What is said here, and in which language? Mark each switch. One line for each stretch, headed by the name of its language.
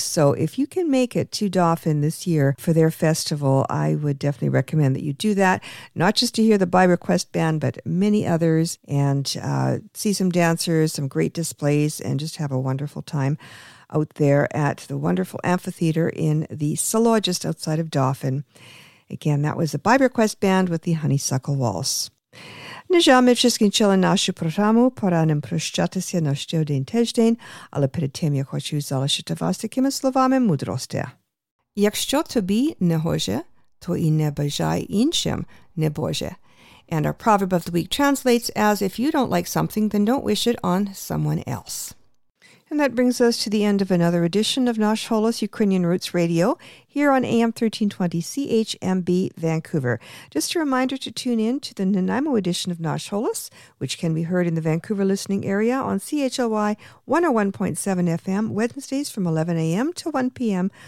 English: So if you can make it to Dauphin this year for their festival, I would definitely recommend that you do that, not just to hear the By Request Band, but many others, and see some dancers, some great displays, and just have a wonderful time out there at the wonderful amphitheater in the Salo, just outside of Dauphin. Again, that was the By Request Band with the Honeysuckle Waltz.
Ukrainian: Нежами вже скінчили нашу програму. Пора нам прощатися на ще один тиждень, але перед тим я хочу залишити вас такими словами мудрості. Якщо тобі не гоже, то і не бажай іншим не боже.
English: And our proverb of the week translates as, if you don't like something, then don't wish it on someone else. And that brings us to the end of another edition of Nash Holos Ukrainian Roots Radio here on AM 1320 CHMB Vancouver. Just a reminder to tune in to the Nanaimo edition of Nash Holos, which can be heard in the Vancouver listening area on CHLY 101.7 FM, Wednesdays from 11 a.m. to 1 p.m.